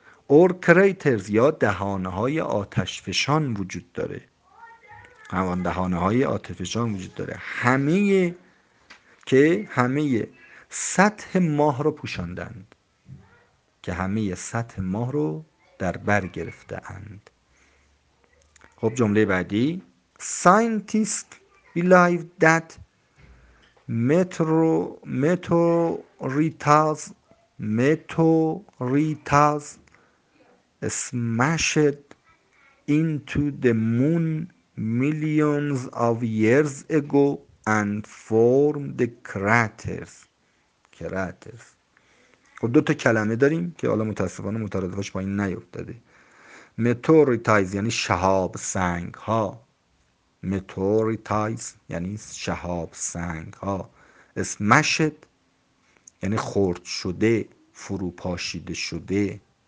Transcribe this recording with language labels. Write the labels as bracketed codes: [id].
[en] or craters [fa] یا دهانه های آتش فشان وجود داره. همان دهانه های آتش فشان وجود داره. همه که همه سطح ماه رو پوشاندند، که همه سطح ماه رو در بر گرفته اند. خب جمله بعدی. [en] Scientists believe that meteorites smashed into the moon millions of years ago and formed the craters. Craters. [fa] خب دو تا کلمه داریم که حالا متاسفانه مترادفش با این نیفتاده. Meteorites یعنی شهاب سنگ ها. Meteorites یعنی شهاب سنگ ها. Smashed یعنی خورد شده، فروپاشیده شده.